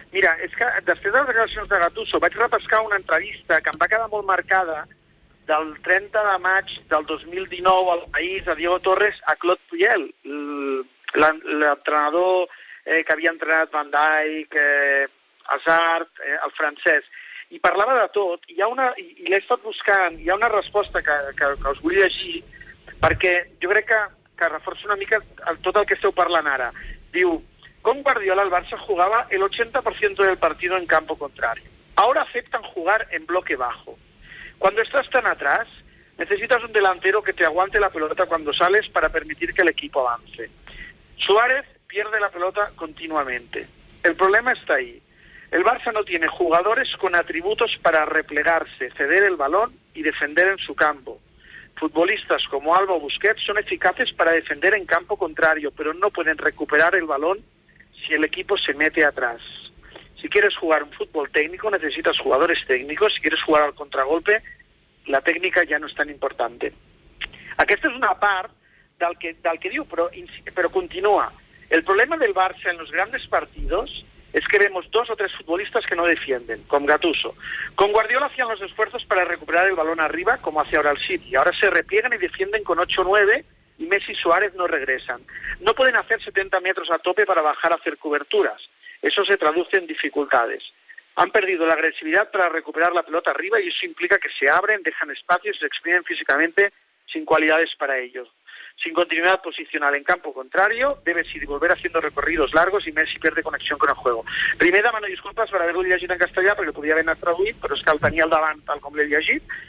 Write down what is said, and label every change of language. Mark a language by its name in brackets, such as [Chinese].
[Catalan] Mira, és que després de les declaracions de Gattuso vaig repescar una entrevista que em va quedar molt marcada del 30 de maig del 2019 al País, a Diego Torres, a Claude Puyol, l'entrenador que havia entrenat Van Dijk, Hazard, el francès. I parlava de tot, i l'he estat buscant, hi ha una resposta que us vull llegir, perquè jo crec que reforça una mica tot el que esteu parlant ara. Diu, com Guardiola el Barça jugava el 80% [Spanish] del partido en campo contrario. Ahora aceptan jugar en bloque bajo. Cuando estás tan atrás, necesitas un delantero que te aguante la pelota cuando sales para permitir que el equipo avance. Suárez pierde la pelota continuamente. El problema está ahí. El Barça no tiene jugadores con atributos para replegarse, ceder el balón y defender en su campo. Futbolistas como Alba o Busquets son eficaces para defender en campo contrario, pero no pueden recuperar el balón si el equipo se mete atrás. Si quieres jugar un fútbol técnico, necesitas jugadores técnicos. Si quieres jugar al contragolpe, la técnica [Catalan] ja no és tan important. Aquesta és una part del que diu, però continua. [Spanish] El problema del Barça en los grandes partidos es que vemos dos o tres futbolistas que no defienden, con Gattuso. Con Guardiola hacían los esfuerzos para recuperar el balón arriba, como hace ahora el City. Ahora se repliegan y defienden con 8-9 y Messi y Suárez no regresan. No pueden hacer 70 metros a tope para bajar a hacer coberturas. Eso se traduce en dificultades. Han perdido la agresividad para recuperar la pelota arriba y eso implica que se abren, dejan espacios y se exprimen físicamente sin cualidades para ello. Sin continuidad posicional en campo contrario, debe ir volver haciendo recorridos largos y Messi pierde conexión con el juego. Primera mano, disculpas por haberlo [Catalan] llegit en castellà, perquè ho podia haver anat traduït, però és que el tenia al davant tal com l'he llegit.